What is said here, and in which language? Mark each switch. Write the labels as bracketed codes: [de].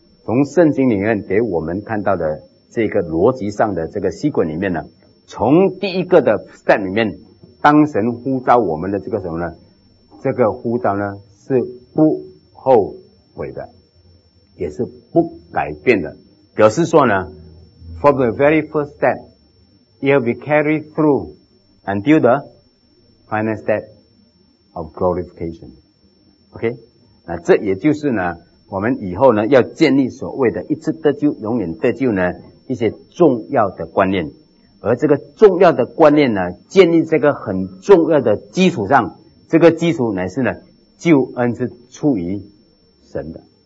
[zh] 从圣经里面给我们看到的这个逻辑上的这个细滚里面呢，从第一个的 step 里面，当神呼召我们的这个什么呢？这个呼召呢是不后悔的，也是不改变的。表示说呢 [en] ，from the very first step, it'll be carried through until the final step of glorification. [zh] OK， 那这也就是呢，我们以后呢要建立所谓的一次得救永远得救呢一些重要的观念。而这个重要的观念呢，建立这个很重要的基础上，这个基础乃是呢，救恩是出于神的。